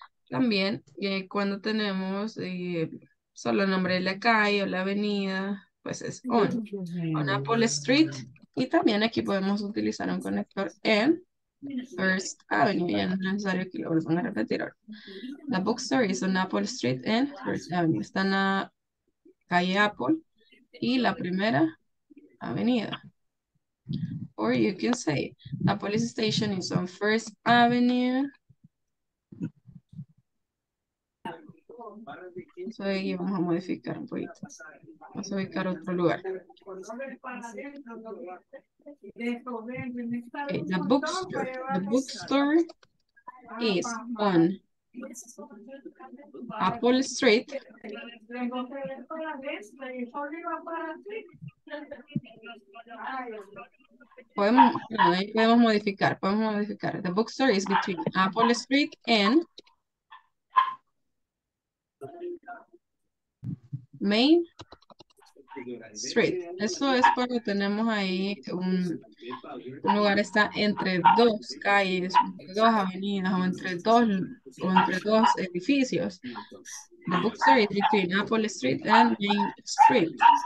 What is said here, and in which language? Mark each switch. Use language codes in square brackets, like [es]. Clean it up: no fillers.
[es] También cuando tenemos solo el nombre de la calle o la avenida, pues es [en] on Apple Street. [es] Y también aquí podemos utilizar un conector en First Avenue, ya no es necesario que lo vuelvan a repetir ahora. [en] La bookstore is on Apple Street and First Avenue. [es] Está en la calle Apple y la primera avenida. [en] Or you can say, the police station is on First Avenue. [es] Eso de aquí vamos a modificar un poquito. Vamos a ubicar otro lugar. [en] Okay, the bookstore is on Apple Street. [es] Podemos modificar. [en] The bookstore is between Apple Street and Main Street. [es] Eso es cuando tenemos ahí un lugar está entre dos calles, dos avenidas, o entre dos edificios. [en] The bookstore is between Apple Street and Main Street.